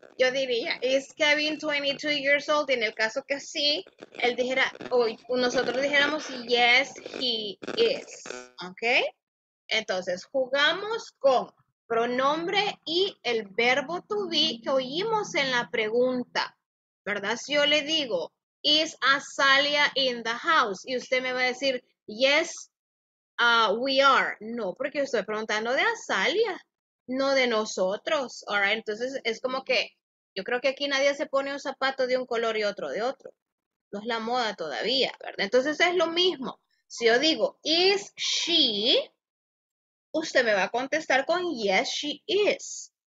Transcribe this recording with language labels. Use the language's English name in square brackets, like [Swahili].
[Spanish] Yo diría, [English] is Kevin 22 years old? [Spanish] Y en el caso que sí, él dijera, nosotros dijéramos, [English] yes, he is, [Spanish] ¿ok? Entonces, jugamos con pronombre y el verbo to be que oímos en la pregunta, ¿verdad? Si yo le digo, [English] is Azalea in the house? [Spanish] Y usted me va a decir, [English] yes, we are. [Spanish] No, porque estoy preguntando de Azalea, no de nosotros. [English] All right? [Spanish] Entonces, es como que, yo creo que aquí nadie se pone un zapato de un color y otro de otro. No es la moda todavía, ¿verdad? Entonces, es lo mismo. Si yo digo, [English] is she, [Spanish] usted me va a contestar con, [English] yes, she is.